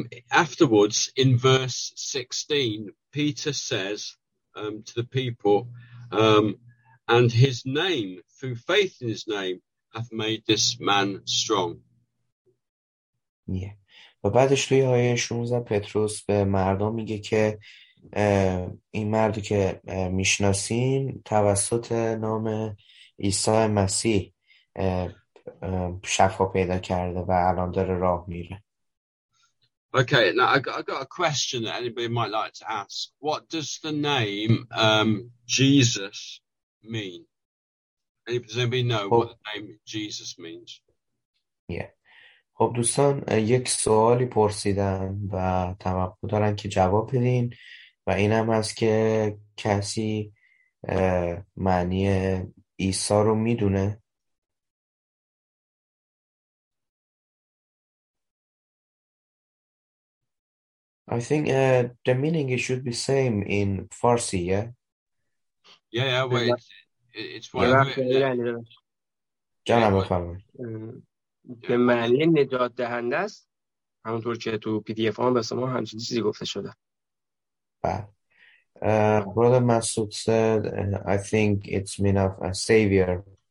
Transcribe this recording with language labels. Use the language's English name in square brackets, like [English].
[English] Afterwards in verse 16 Peter says to the people and his name through faith in his name hath made this man strong. [Persian] و بعدش توی آیه 16 پتروس به مردم میگه که این مردی که میشناسین توسط نام عیسی مسیح شفا پیدا کرده و الان داره راه میره. [English] Okay, now I got a question that anybody might like to ask. What does the name Jesus mean? Does anybody know what the name Jesus means? Yeah. [Persian] خب دوستان یک سوالی پرسیدن و توقع دارن که جواب بدین و اینم هست که کسی معنی عیسی رو میدونه؟ [English] I think the meaning it should be same in Farsi, yeah? Yeah, well, it's one of it. [Persian] جانم به معنی نجات دهنده است، همونطور که تو پی دی اف هم به شما همچین چیزی گفته شده. [English] Brother Masood said I think it's mean of a savior.